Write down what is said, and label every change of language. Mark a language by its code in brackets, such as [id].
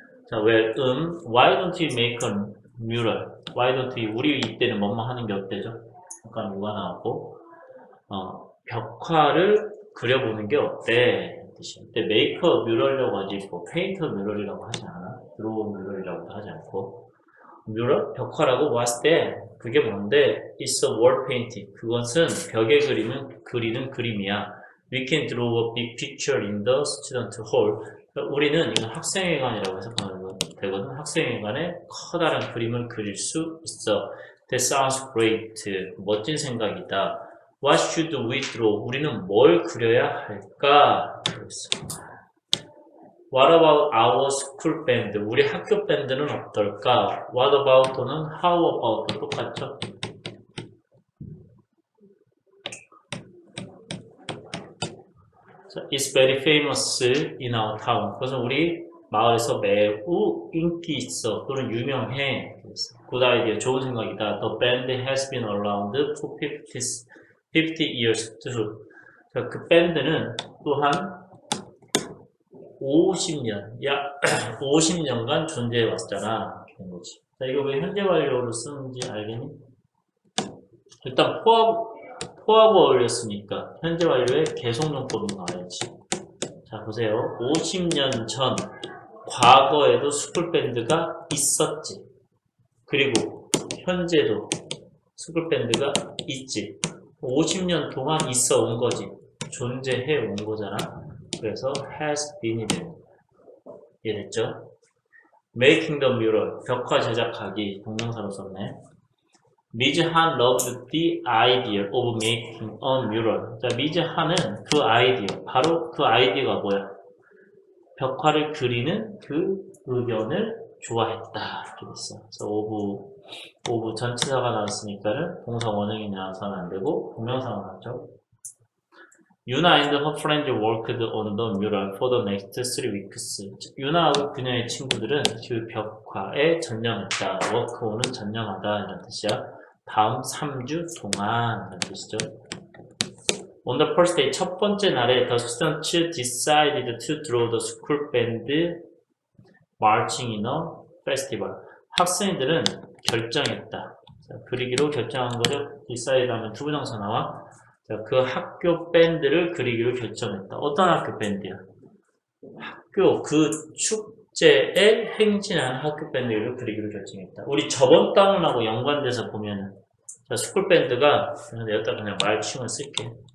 [en] 자, where, why don't you make a mural? Why don't you, [ko] 우리 이때는 원망하는 게 어때죠? 약간 뭐가 나왔고. 벽화를 그려보는 게 어때? 근데 메이커 뮤럴이라고 하지, 뭐 페인터 뮤럴이라고 하지 않아? 드로우 뮤럴이라고도 하지 않고. 뮤럴? 벽화라고? [en] What's that? [ko] 그게 뭔데? [en] It's a wall painting. [ko] 그것은 벽에 그리는 그림이야. [en] We can draw a big picture in the student hall. [ko] 우리는 이건 학생회관이라고 해석하면 되거든. 학생회관에 커다란 그림을 그릴 수 있어. [en] That sounds great. [ko] 멋진 생각이다. [en] What should we draw? [ko] 우리는 뭘 그려야 할까? 그랬어. [en] What about our school band? [ko] 우리 학교 밴드는 어떨까? [en] What about [ko] 또는 [en] how about [ko] 똑같죠? 자, [en] it's very famous in our town. [ko] 그래서 우리 마을에서 매우 인기 있어. 또는 유명해. 그랬어. [en] Good idea. [ko] 좋은 생각이다. [en] The band has been around for 50 years too. [ko] 자, 그 밴드는 또한 50년간 존재해 왔잖아. 그런 거지. 자, 이거 왜 현재 완료로 쓰는지 알겠니? 일단 포하고 어울렸으니까 현재 완료의 계속용법이 나와야지. 자, 보세요. 50년 전 과거에도 스쿨 밴드가 있었지. 그리고 현재도 스쿨 밴드가 있지. 50년 동안 있어 온 거지. 존재해 온 거잖아. 그래서 [en] has been [ko] 이 되는 거야. 이해됐죠? [en] Making the mural, [ko] 벽화 제작하기. 동명사로 썼네. Ms. [en] Han loved the idea of making a mural. [ko] 자, [en] Ms. [ko] Han은 그 아이디어, 바로 그 아이디어가 뭐야? 벽화를 그리는 그 의견을 좋아했다. 이렇게 됐어. 그래서 오브 전치사가 나왔으니까는 동사 원형이 나와서는 안 되고 동명사가 나왔죠. [en] Yuna and her friends worked on the mural for the next 3 weeks. [ko] Yuna하고 그녀의 친구들은 그 벽화에 전념했다. [en] Work on [ko] 은 전념하다 이런 뜻이야. 다음 3주 동안 이런 뜻이죠. [en] On the first day, [ko] 첫 번째 날에 [en] the students decided to draw the school band marching in a festival. [ko] 학생들은 결정했다. 자, 그리기로 결정한 거죠. [en] decide [ko] 하면 투부정사 나와. 자, 그 학교 밴드를 그리기로 결정했다. 어떤 학교 밴드야? 학교, 그 축제에 행진한 학교 밴드를 그리기로 결정했다. 우리 저번 다운하고 연관돼서 보면은, 자, 스쿨 밴드가, 내가 여기다 그냥 말칭을 쓸게.